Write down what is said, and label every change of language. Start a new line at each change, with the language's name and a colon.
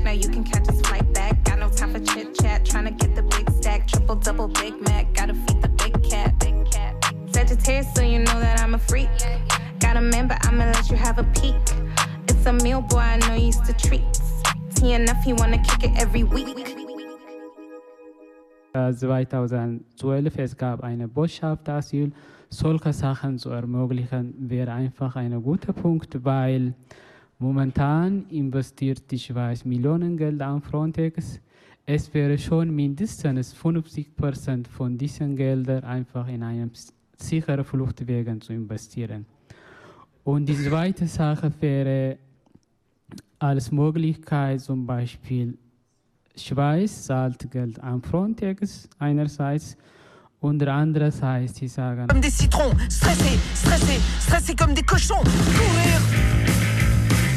English: Now you can catch this flight back. Got no time for chit chat. Trying to get the big stack. Triple double Big Mac. Gotta feed the big cat. Sagittarius, so you know that I'm a freak. Got a man, but I'ma let you have a peek. It's a meal, boy, I know you used to treats. TNF, he wanna kick it every week.
German: 2012, es gab eine Botschaft Asyl. Solche Sachen zu ermöglichen, wäre einfach ein guter Punkt, weil momentan investiert die Schweiz Millionen Geld an Frontex. Es wäre schon mindestens 50% von diesen Geldern einfach in einem sicheren Fluchtwegen zu investieren. Und die zweite Sache wäre als Möglichkeit zum Beispiel, Schweiz zahlt Geld an Frontex einerseits und andererseits, die sagen.
French: Comme des citrons, stressé, stressé, stressé comme des cochons, courir!